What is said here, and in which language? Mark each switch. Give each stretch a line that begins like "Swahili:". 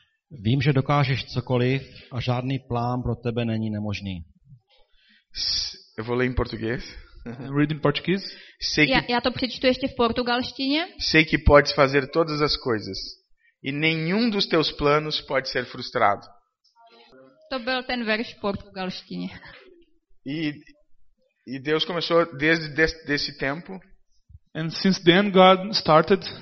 Czech: Vím, že dokážeš cokoliv a žádný plán pro tebe není nemožný.
Portuguese: Eu vou ler em português.
English: Read in Portuguese.
Portuguese: Sei que,
Czech: já to přečtu ještě v portugalštině.
Portuguese: Sei que podes fazer todas as coisas e nenhum dos teus planos pode ser frustrado.
Czech: To byl ten verš v portugalštině.
Portuguese: E Deus começou desde desse tempo.
English: And since then God started.